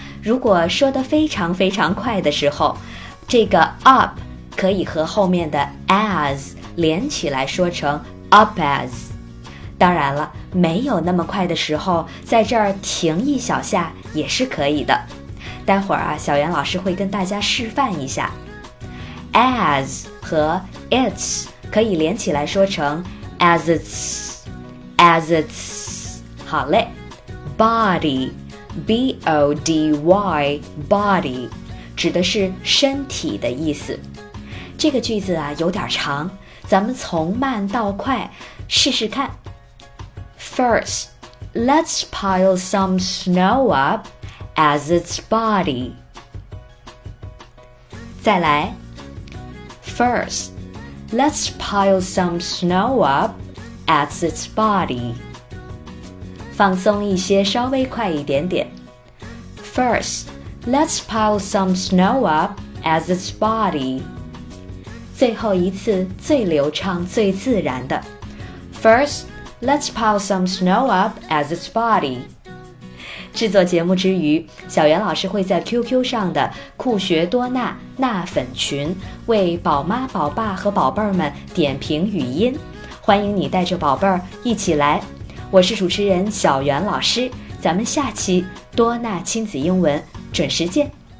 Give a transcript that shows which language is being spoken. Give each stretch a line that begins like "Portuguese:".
Chinese: 如果说得非常非常快的时候，这个 up 可以和后面的 as 连起来说成
English: up as。
Chinese: 当然了，没有那么快的时候，在这儿停一小下也是可以的。待会儿啊，小袁老师会跟大家示范一下。
English: As 和 its
Chinese: 可以连起来说成
English: as its, as its。
Chinese: 好嘞。
English: Body, B-O-D-Y, body,
Chinese: 指的是身体的意思。这个句子啊，有点长，咱们从慢到快试试看。
English: First, let's pile some snow up as its body.
Chinese: 再来。
English: First, let's pile some snow up as its body.
Chinese: 放松一些，稍微快一点点。
English: First, let's pile some snow up as its body.
Chinese: 最后一次，最流畅，最自然的。
English: First,Let's pile some snow up as its body.
Chinese: 制作节目之余，小袁老师会在 QQ 上的酷学多纳纳粉群为宝妈、宝爸和宝贝儿们点评语音，欢迎你带着宝贝儿一起来。我是主持人小袁老师，咱们下期多纳亲子英文准时见。